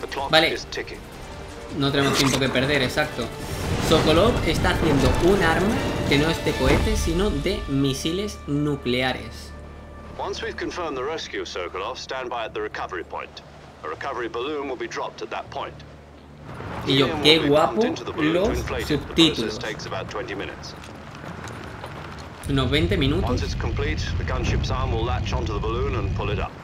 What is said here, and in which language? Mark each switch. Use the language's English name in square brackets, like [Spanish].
[Spanish] Vale, no tenemos tiempo que perder, exacto. Sokolov está haciendo un arma que no es de cohetes, sino de misiles nucleares. [English] Once we've confirmed the rescue, Sokolov, stand by at the recovery point. A recovery balloon will be dropped at that point. [Spanish] Y yo, qué guapo los subtítulos. [English] Takes about 20 minutes. [Spanish] Unos 20 minutos. [English] Once it's complete, the gunship's arm will latch onto the balloon and pull it up.